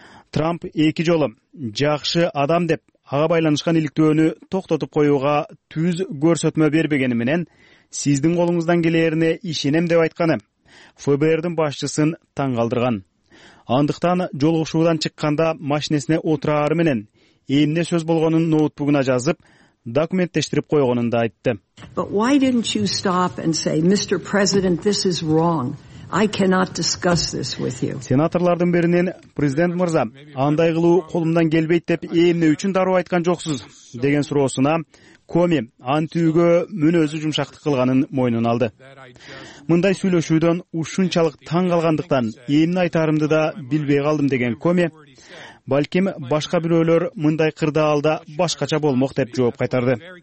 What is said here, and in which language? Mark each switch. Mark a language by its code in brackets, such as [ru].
[ky] Трамп эки жолу жакшы адам деп ага байланышкан иликтөөнү токтотуп коюуга түз көрсөтмө бербегени менен сиздин колуңуздан келэрине ишенем деп айтканы ФБРдин башчысын таң калдырган. Андыктан жолугушуудан чыкканда машинесине отураары менен эмне сөз болгонун ноутбугуна жазып, документтештирип койгонун да айтты. [en] But why didn't you stop and say, Mr. President, this is wrong? I cannot discuss this with you. [ky] Сенаторлордун биринен президент мырза, андай кылуу колумдан келбейт деп эмне үчүн дароо айткан жоксуз деген суроосуна Коми антүүгө мүнөзү жумшактык кылганын мойнуна алды. Мындай сүйлөшүүдөн ушунчалык таң калгандыктан эмне айтарымды да билбей калдым деген Коми, балким башка бирөөлөр мындай кырдаалда башкача болмок деп жооп кайтарды.